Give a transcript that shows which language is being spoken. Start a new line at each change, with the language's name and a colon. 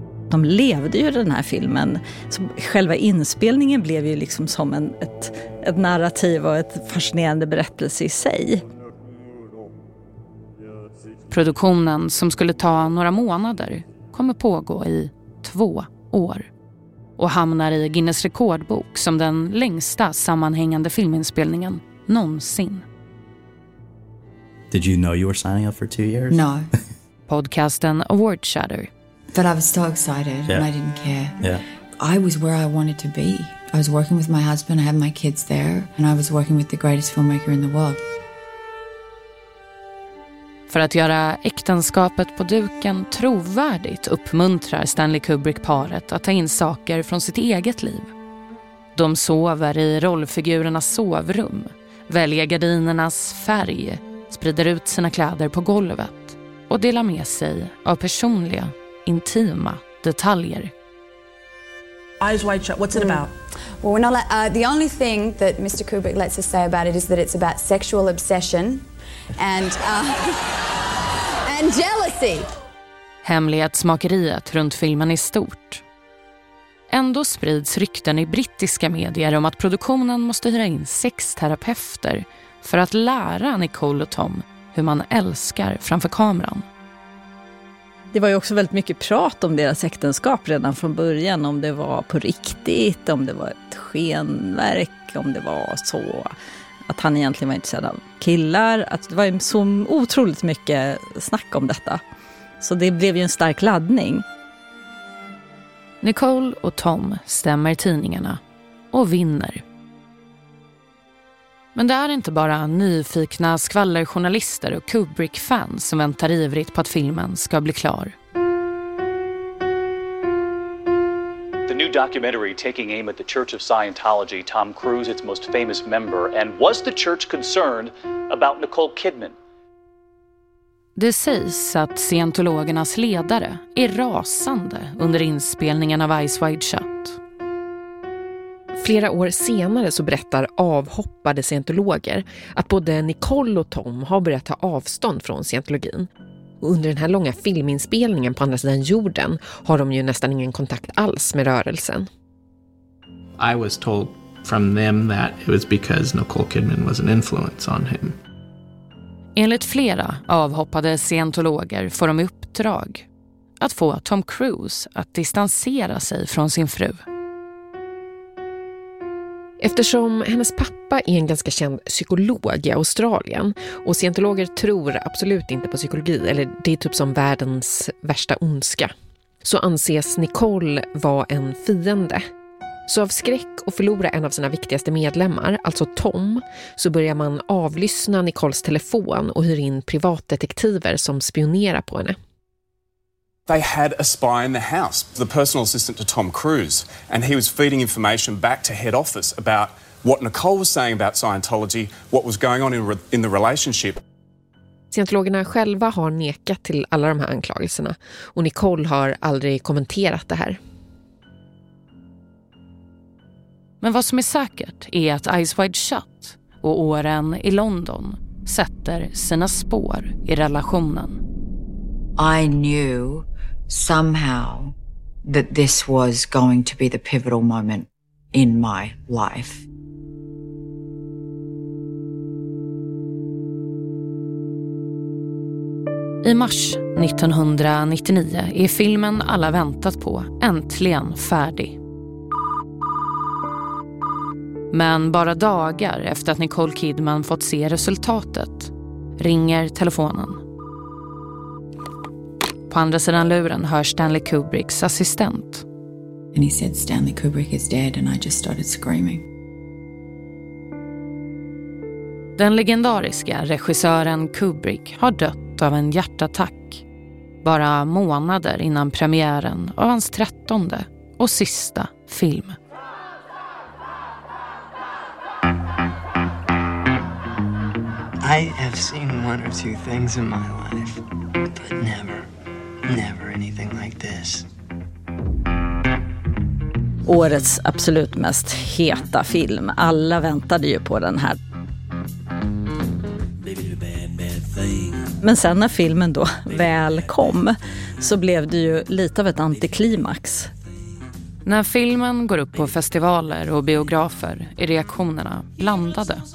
Swedish: De levde ju den här filmen, så själva inspelningen blev ju liksom som ett narrativ och ett fascinerande berättelse i sig. Produktionen, som skulle ta några månader, kommer pågå i 2 år och hamnar i Guinness rekordbok som den längsta sammanhängande filminspelningen någonsin.
English: Did you know you were signing up for 2 years? No. Podcasten Award Shatter. But I was so excited, yeah. And I didn't care. Yeah. I was where I wanted to be. I was working with my husband, I had my kids there, and I was working with the greatest filmmaker in the world.
Swedish: För att göra äktenskapet på duken trovärdigt uppmuntrar Stanley Kubrick-paret att ta in saker från sitt eget liv. De sover i rollfigurernas sovrum, väljer gardinernas färg, sprider ut sina kläder på golvet och delar med sig av personliga intima detaljer.
English: Eyes Wide Shut, what's it about? Well, we're not like, the only thing that Mr. Kubrick lets us say about it is that it's about sexual obsession and and jealousy.
Swedish: Hemlighetsmakeriet runt filmen är stort. Ändå sprids rykten i brittiska medier om att produktionen måste hyra in sexterapeuter för att lära Nicole och Tom hur man älskar framför kameran. Det var ju också väldigt mycket prat om deras äktenskap redan från början. Om det var på riktigt, om det var ett skenverk, om det var så. Att han egentligen var intresserad av killar. Att det var ju så otroligt mycket snack om detta. Så det blev ju en stark laddning. Nicole och Tom stämmer tidningarna och vinner. Men det är inte bara nyfikna skvallerjournalister och Kubrick-fans som väntar ivrigt på att filmen ska bli klar.
English: The new documentary taking aim at the Church of Scientology, Tom Cruise, its most famous member, and was the church concerned about Nicole Kidman?
Swedish: Det sägs att scientologernas ledare är rasande under inspelningen av Eyes Wide Shut. Flera år senare så berättar avhoppade scientologer att både Nicole och Tom har börjat ta avstånd från scientologin. Och under den här långa filminspelningen på andra sidan jorden har de ju nästan ingen kontakt alls med rörelsen.
English: I was told from them that it was because Nicole Kidman was an influence on him.
Swedish: Enligt flera avhoppade scientologer får de uppdrag att få Tom Cruise att distansera sig från sin fru. Eftersom hennes pappa är en ganska känd psykolog i Australien och scientologer tror absolut inte på psykologi, eller det är typ som världens värsta ondska, så anses Nicole vara en fiende. Så av skräck att förlora en av sina viktigaste medlemmar, alltså Tom, så börjar man avlyssna Nicoles telefon och hyr in privatdetektiver som spionerar på henne.
English: They had a spy in the house, the personal assistant to Tom Cruise, and he was feeding information back to head office about what Nicole was saying about Scientology, what was going on in the relationship.
Swedish: Scientologerna själva har nekat till alla de här anklagelserna och Nicole har aldrig kommenterat det här. Men vad som är säkert är att Eyes Wide Shut och åren i London sätter sina spår i relationen.
English: I knew somehow that this was going to be the pivotal moment in my life.
Swedish: I mars 1999 är filmen alla väntat på äntligen färdig. Men bara dagar efter att Nicole Kidman fått se resultatet ringer telefonen. På andra sidan luren hör Stanley Kubricks assistent.
English: And he said Stanley Kubrick is dead and I just started screaming.
Swedish: Den legendariska regissören Kubrick har dött av en hjärtattack bara månader innan premiären av hans 13:e och sista film.
English: I have seen one or two things in my life, but never, never anything like this.
Swedish: Årets absolut mest heta film. Alla väntade ju på den här. Men sen när filmen då väl kom så blev det ju lite av ett antiklimax. När filmen går upp på festivaler och biografer är reaktionerna blandade.